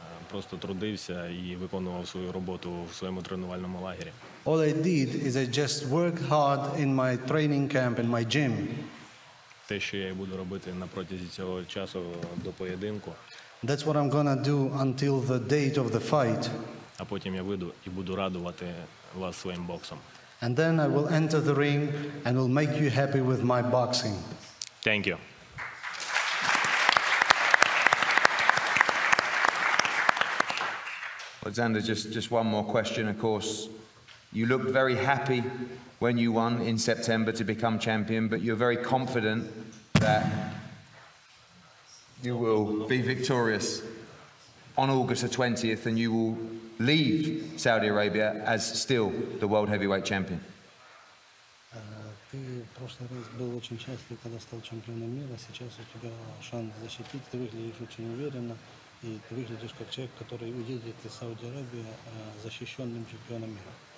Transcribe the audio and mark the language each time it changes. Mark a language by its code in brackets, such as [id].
[uk] Просто трудився і виконував свою роботу в своєму тренувальному лагері. [en] All I did is I just worked hard in my training camp, in my gym. [uk] Те, що я буду робити протягом цього часу до поєдинку. [en] That's what I'm gonna do until the date of the fight. [uk] А потім я вийду і буду радувати вас своїм боксом. [en] And then I will enter the ring and will make you happy with my boxing. Thank you. Alexander, just one more question, of course. You looked very happy when you won in September to become champion, but you're very confident that you will be victorious on August the 20th and you will leave Saudi Arabia as still the world heavyweight champion. [ru] Ты в прошлый раз был очень счастлив, когда стал чемпионом мира. Сейчас у тебя шанс защитить, ты выглядишь очень уверенно. И ты выглядишь как человек, который уедет из Саудовской Аравии защищенным чемпионом мира.